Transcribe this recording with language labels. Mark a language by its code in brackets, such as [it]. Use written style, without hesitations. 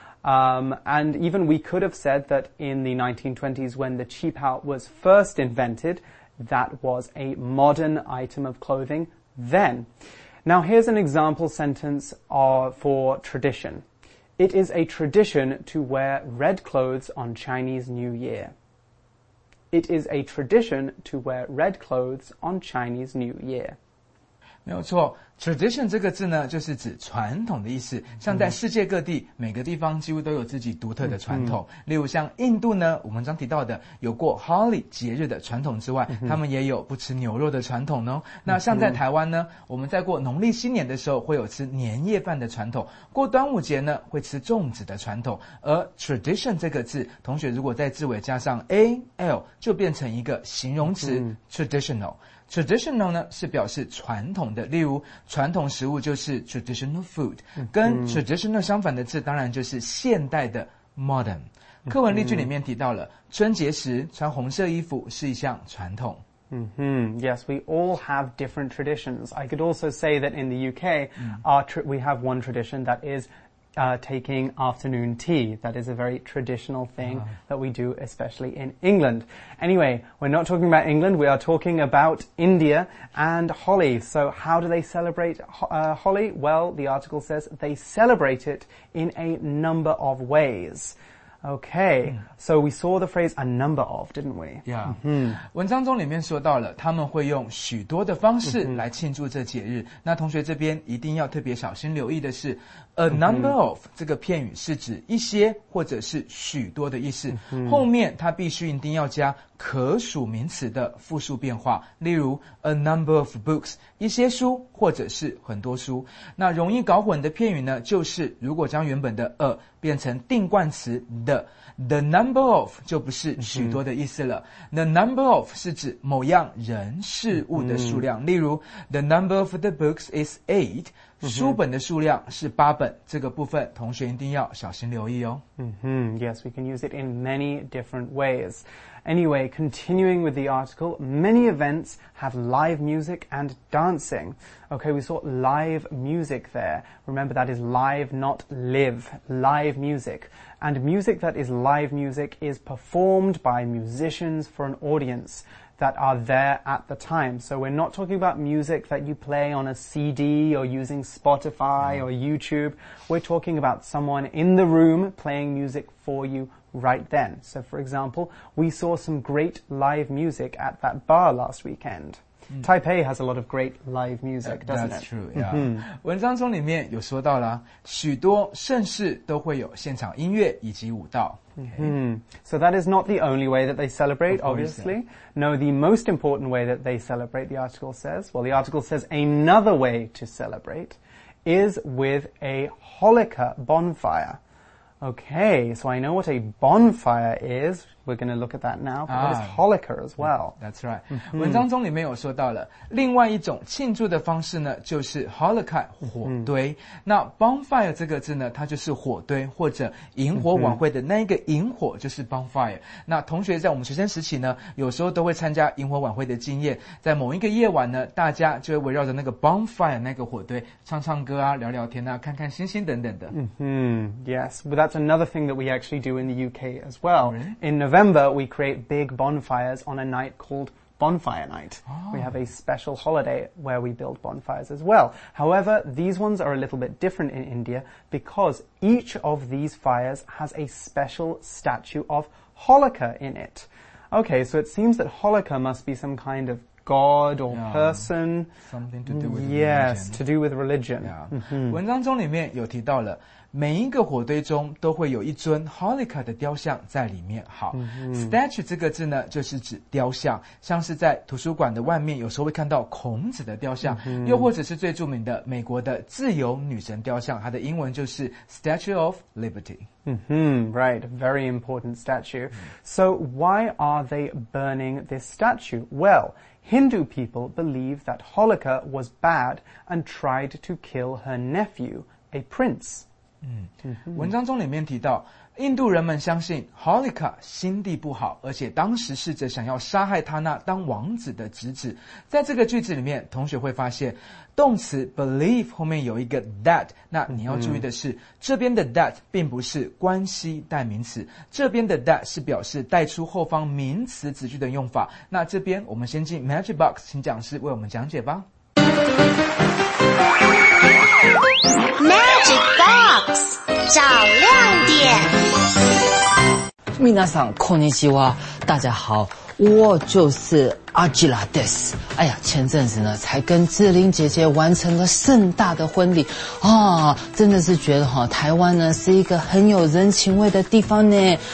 [en] And even we could have said that in the 1920s, when the qipao was first invented, that was a modern item of clothing then. Now, here's an example sentence for tradition. It is a tradition to wear red clothes on Chinese New Year. It is a tradition to wear red clothes on Chinese New Year. [zh] 没有错 ,tradition 这个字呢就是指传统的意思，像在世界各地每个地方几乎都有自己独特的传统，例如像印度呢，我们刚提到的有过 Holi 节日的传统之外，他们也有不吃牛肉的传统哦。那像在台湾呢，我们在过农历新年的时候会有吃年夜饭的传统，过端午节呢会吃粽子的传统，而 tradition 这个字，同学如果在字尾加上 al 就变成一个形容词 traditional。 Traditional 呢是表示传统的，例如传统食物就是 [en] traditional food， [zh] 跟 traditional 相反的字当然就是现代的 modern。课文例句里面提到了春节时穿红色衣服是一项传统。 Mm-hmm. [en] Yes, we all have different traditions. I could also say that in the UK, we have one tradition that is taking afternoon tea. That is a very traditional thing that we do, especially in England. Anyway, we're not talking about England. We are talking about India and Holi. So how do they celebrate Holi? Well, the article says they celebrate it in a number of ways. Okay, so we saw the phrase a number of, didn't we? Yeah. Mm-hmm. [zh] 文章中里面说到了他们会用许多的方式来庆祝这节日。那同学这边一定要特别小心留意的是 a number of 这个片语是指一些或者是许多的意思。后面它必须一定要加可数名词的复数变化，例如 [en] a number of books， [zh] 一些书或者是很多书。那容易搞混的片语呢，就是如果将原本的 a 变成定冠词 the number of 就不是许多的意思了。 The number of 是指某样人事物的数量，例如 [en] the number of the books is 8。 [zh] 书本的数量是八本，这个部分同学一定要小心留意哦。 [en] Yes, we can use it in many different ways. Anyway, continuing with the article, many events have live music and dancing. Okay, we saw live music there. Remember, that is live, not live. Live music. And music that is live music is performed by musicians for an audience. That are there at the time. So we're not talking about music that you play on a CD or using Spotify or YouTube. We're talking about someone in the room playing music for you right then. So for example, we saw some great live music at that bar last weekend. Taipei has a lot of great live music, doesn't it? That's true, yeah. [zh] 文章中里面有说到了，许多盛世都会有现场音乐以及舞蹈。 [en] So that is not the only way that they celebrate, obviously. No, the most important way that they celebrate, the article says, well, the article says another way to celebrate is with a holika bonfire. Okay, so I know what a bonfire is. We're going to look at that now. But what is holika as well? That's right. [zh] 文章中里面有说到了，另外一种庆祝的方式呢，就是 holika 火堆。那 bonfire 这个字呢，它就是火堆或者萤火晚会的那一个萤火，就是 bonfire。那同学在我们学生时期呢，有时候都会参加萤火晚会的经验，在某一个夜晚呢，大家就会围绕着那个 bonfire 那个火堆，唱唱歌啊，聊聊天啊，看看星星等等的。 [en] Yes. That's another thing that we actually do in the UK as well. Really? In November, we create big bonfires on a night called Bonfire Night. Oh. We have a special holiday where we build bonfires as well. However, these ones are a little bit different in India because each of these fires has a special statue of holika in it. Okay, so it seems that holika must be some kind of... God or person. Yeah, something to do with religion. Yes, to do with religion. Yeah. Mm-hmm. [zh] 文章中里面有提到了，每一个火堆中都会有一尊 holika 的雕像在里面。好、statue 这个字呢，就是指雕像，像是在图书馆的外面，有时候会看到孔子的雕像、又或者是最著名的美国的自由女神雕像，它的英文就是 Statue of Liberty. [en] Right, very important statue. So why are they burning this statue? Well, Hindu people believe that Holika was bad and tried to kill her nephew, a prince. [zh] 文章中里面提到，印度人们相信 Holika 心地不好，而且当时试着想要杀害他那当王子的侄子。在这个句子里面，同学会发现动词 believe 后面有一个 that， 那你要注意的是、这边的 that 并不是关系代名词，这边的 that 是表示带出后方名词子句的用法。那这边我们先进 Magic Box， 请讲师为我们讲解吧。 Magic Box 找亮点。 [ja] 皆さんこんにちは， [zh] 大家好。我就是阿吉拉德斯。哎呀，前阵子呢才跟志玲姐姐完成了盛大的婚礼啊，真的是觉得哈，台湾呢是一个很有人情味的地方呢。